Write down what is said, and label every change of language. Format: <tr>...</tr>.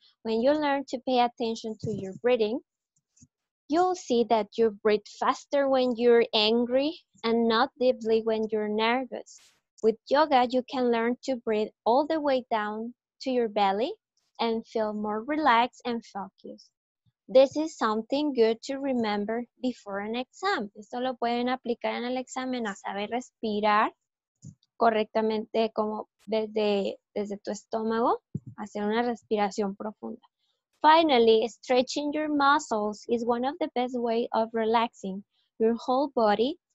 <en>When you learn to pay attention to your breathing, you'll see that you breathe faster when you're angry and not deeply when you're nervous. With yoga, you can learn to breathe all the way down to your belly and feel more relaxed and focused. This is something good to remember before an exam.</en> <es>Esto lo pueden aplicar en el examen, a saber respirar correctamente como desde tu estómago, hacer una respiración profunda.</es> <en>Finally, stretching your muscles is one of the best ways of relaxing your whole body.</en>